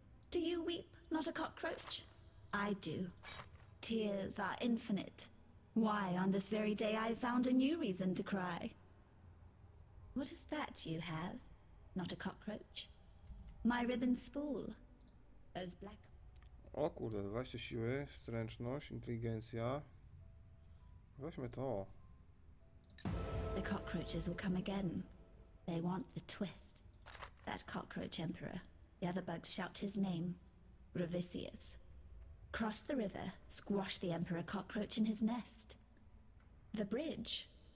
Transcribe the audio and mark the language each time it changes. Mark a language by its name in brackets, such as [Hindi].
[English] Do you weep, not a cockroach? I do. Tears are infinite. Why, on this very day, I found a new reason to cry. What is that you have, not a cockroach? My ribbon spool. As black. [Polish] O kurde, 20 siły, stręczność, inteligencja. Weźmy to. [English] The cockroaches will come again. They want the twist. That cockroach emperor. The other bugs shout his name. Revisius. Cross the river, squash the emperor cockroach in his nest. The bridge.